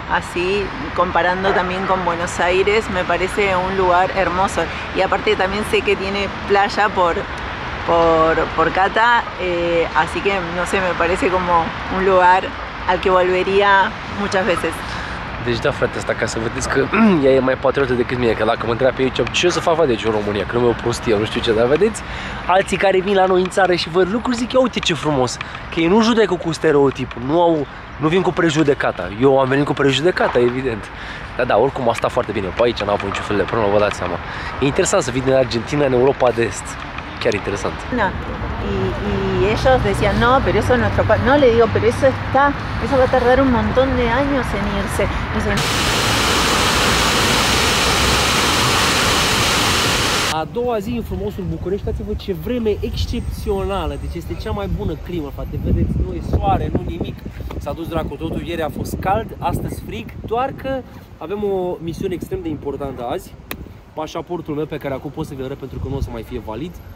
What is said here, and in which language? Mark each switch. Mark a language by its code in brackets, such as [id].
[es] Así, comparando también con Buenos Aires, me parece un lugar hermoso, y aparte también sé que tiene playa por Cata, así que no sé, me parece como un lugar al que volvería muchas veces. [ro] Deci da, frate, asta ca să vedeți că ea e mai patriotă decât mine, că dacă mă întreabă pe aici ce o să fac, deci în România, că nu e o prostie, nu știu ce, dar vedeți? Alții care vin la noi în țară și văd lucruri, zic, uite ce frumos, că ei nu judecă cu stereotipul, nu vin cu prejudecata. Eu am venit cu prejudecata, evident. Dar da, oricum a stat foarte bine. Pe aici n-am avut niciun fel de problemă, vă dați seama. E interesant să vin din Argentina în Europa de Est. Chiar interesant. Da. [es] Y ellos decían, no, pero eso es nuestro país. No, le digo, pero eso está, eso va a tardar un montón de años en irse. Dicen... [ro] A doua zi în frumosul București, uitați-vă ce vreme excepțională, deci este cea mai bună climă, frate, vedeți, nu e soare, nu nimic, s-a dus dracu totul, ieri a fost cald, astăzi frig, doar că avem o misiune extrem de importantă azi, pașaportul meu pe care acum pot să vi-l arăt pentru că nu o să mai fie valid,